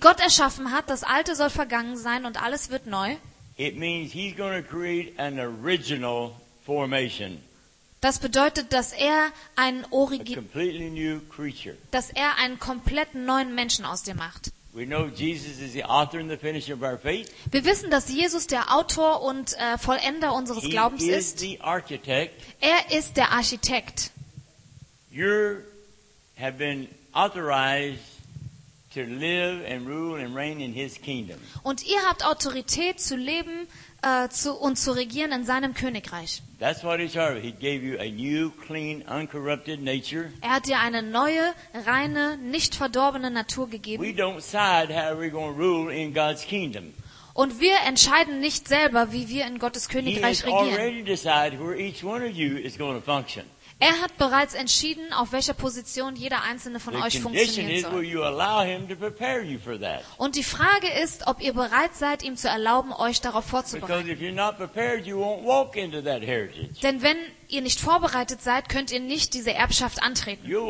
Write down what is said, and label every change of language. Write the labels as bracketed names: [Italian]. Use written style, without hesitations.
[German] Gott erschaffen hat, das Alte soll vergangen sein und alles wird neu, [English] it means he's going to create an original formation. [German] Das bedeutet, dass er ein [English] completely new creature. [German] Dass er einen komplett neuen Menschen aus dir macht. [English] We know Jesus is the author and the finisher of our faith. [German] Wir wissen, dass Jesus der Autor und Vollender unseres Glaubens ist. [English] He is the architect. [German] Er ist der Architekt. [English] You have been authorized to live and rule and reign in his kingdom. [German] Und ihr habt Autorität zu leben und zu regieren in seinem Königreich. [English] That's what he's talking about. He gave you a new, clean, uncorrupted nature. [German] Er hat dir eine neue, reine, nicht verdorbene Natur gegeben. [English] We don't decide how we're going to rule in God's kingdom. [German] Und wir entscheiden nicht selber, wie wir in Gottes Königreich regieren. [English] He has already decided where each one of you is going to function. [German] Er hat bereits entschieden, auf welcher Position jeder einzelne von euch funktionieren soll. Und die Frage ist, ob ihr bereit seid, ihm zu erlauben, euch darauf vorzubereiten. Denn wenn ihr nicht vorbereitet seid, könnt ihr nicht diese Erbschaft antreten.